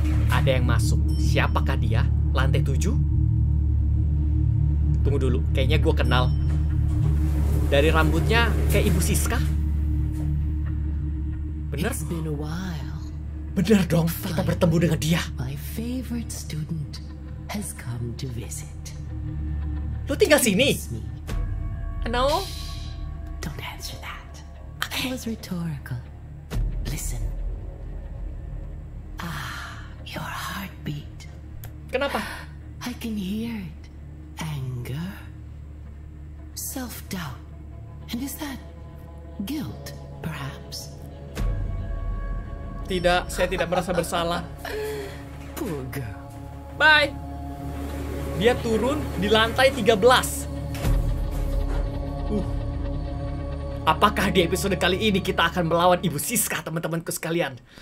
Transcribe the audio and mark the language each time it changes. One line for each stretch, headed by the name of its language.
Indonesian: Ada yang masuk. Siapakah dia? Lantai 7? Tunggu dulu, kayaknya gue kenal. Dari rambutnya kayak Ibu Siska. Bener?
English: It's been a while.
Indonesian: Bener dong, kita bertemu dengan dia.
English: My favorite student has come to visit.
Indonesian: Lu tinggal sini?
English: No. Don't answer that. It was rhetorical. Listen. Ah, your heartbeat.
Indonesian: Kenapa?
English: I can hear it. Anger. Self-doubt. And is that guilt, perhaps?
Indonesian: Tidak, saya tidak merasa bersalah.
English: Poor girl.
Indonesian: Bye. Dia turun di lantai 13. Apakah di episode kali ini kita akan melawan Ibu Siska, teman-temanku sekalian?